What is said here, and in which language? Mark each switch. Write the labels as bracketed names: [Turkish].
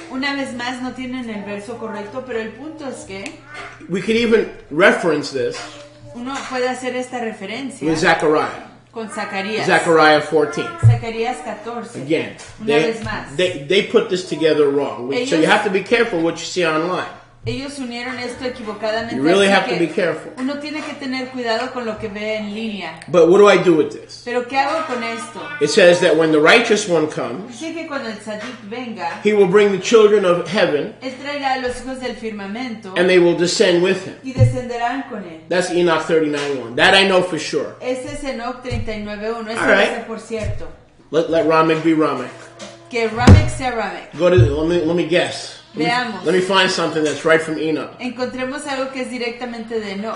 [Spanish] una vez más no tienen el verso correcto, pero el punto es que, [English] we could even reference this. [Spanish] Uno puede hacer esta referencia [English] with Zechariah. [Spanish] Con Zacarías. [English] Zechariah 14. [Spanish] Zacarías 14. [English] Again. [Spanish] Una vez más. [English] They put this together wrong. So you have to be careful what you see online. [Spanish] Ellos unieron esto equivocadamente. [English] You really have to be careful. [Spanish] Uno tiene que tener cuidado con lo que ve en línea. [English] But what do I do with this? [Spanish] Pero ¿qué hago con esto? [English] It says that when the righteous one comes, [Spanish] dice que cuando el tzadik venga, [English] he will bring the children of heaven, [Spanish] él traerá a los hijos del firmamento, [English] and they will descend with him. [Spanish] Y descenderán con él. [English] That's Enoch 39:1. That I know for sure. [Spanish] Ese es Enoch 39:1. Ese right. Lo sé por cierto. [English] Let Ramek be Ramek. [Spanish] Que Ramek sea Ramek. [English] Go to, let me guess. Let me find something that's right from Enoch. [Spanish] Encontremos algo que es directamente de Enoch.